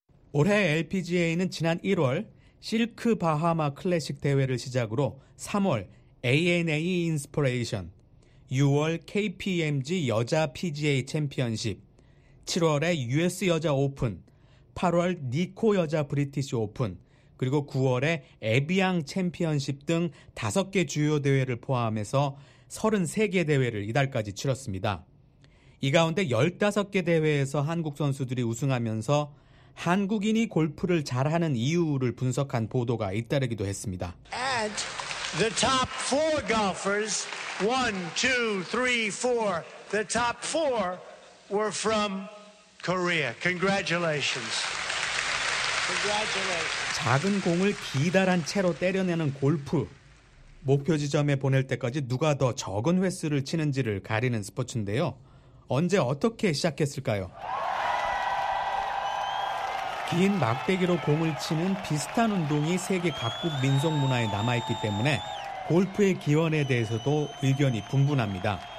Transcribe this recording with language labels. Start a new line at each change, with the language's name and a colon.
Korean: 올해 LPGA는 지난 1월 실크 바하마 클래식 대회를 시작으로 3월 ANA 인스퍼레이션, 6월 KPMG 여자 PGA 챔피언십, 7월에 US 여자 오픈, 8월 니코 여자 브리티시 오픈, 그리고 9월에 에비앙 챔피언십 등 5개 주요 대회를 포함해서 33개 대회를 이달까지 치렀습니다. 이 가운데 15개 대회에서 한국 선수들이 우승하면서 한국인이 골프를 잘하는 이유를 분석한 보도가 잇따르기도 했습니다.
English: And the top four golfers, one, two, three, four, the top four were from Korea. Congratulations. Congratulations.
Korean: 작은 공을 기다란 채로 때려내는 골프. 목표 지점에 보낼 때까지 누가 더 적은 횟수를 치는지를 가리는 스포츠인데요. 언제 어떻게 시작했을까요? 긴 막대기로 공을 치는 비슷한 운동이 세계 각국 민속 문화에 남아있기 때문에 골프의 기원에 대해서도 의견이 분분합니다.